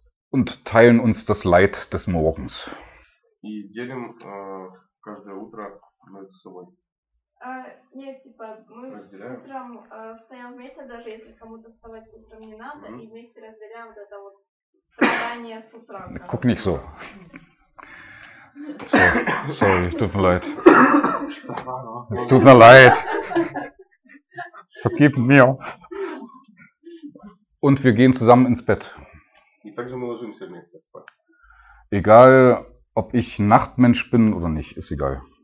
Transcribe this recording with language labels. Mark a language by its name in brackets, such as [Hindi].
[German] Und teilen uns das Leid des Morgens. [Russian] И делим каждое утро мы с собой. Нет, типа, мы разделяем. Утром встаем вместе, даже если кому-то вставать утром не надо, и вместе разделяем вот это вот страдание с утра. [German] Guck nicht so. So. Sorry, tut mir leid. Es tut mir leid. Vergib mir. Und wir gehen zusammen ins Bett. [Russian] И также мы ложимся вместе спать. [German] Egal, ob ich Nachtmensch bin oder nicht, ist egal.